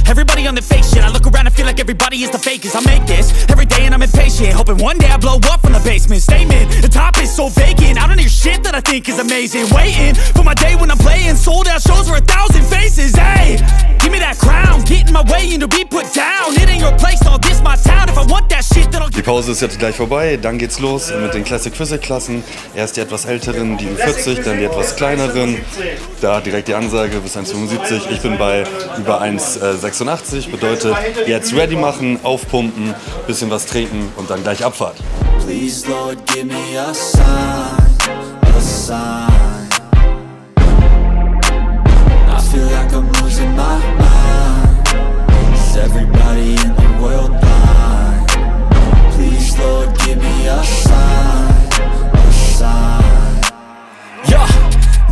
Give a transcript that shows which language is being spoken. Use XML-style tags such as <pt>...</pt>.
<en>Everybody on the fake shit. I look around and feel like everybody is the fakest. I make this every day and I'm impatient, hoping one day I blow up from the basement. Statement: the top is so vacant. I don't hear shit that I think is amazing. Waiting for my day when I'm playing sold out shows for 1,000 faces. Hey, give me that crown. Get in my way and you'll be put down. It ain't your place, no, this my town. If I want that shit, then I'll.</en> <de>Die Pause ist jetzt gleich vorbei. Dann geht's los mit den Classic Physik Klassen. Erst die etwas älteren, die 40, dann die etwas kleineren. Da direkt die Ansage: bis 1,75. Ich bin bei über 1,86, bedeutet jetzt ready machen, aufpumpen, bisschen was trinken und dann gleich Abfahrt.</de> <en>Please Lord, give me a sign, a sign. I feel like I'm losing my mind. Is everybody in the world blind? Please Lord, give me a sign, a sign. Yeah.</en>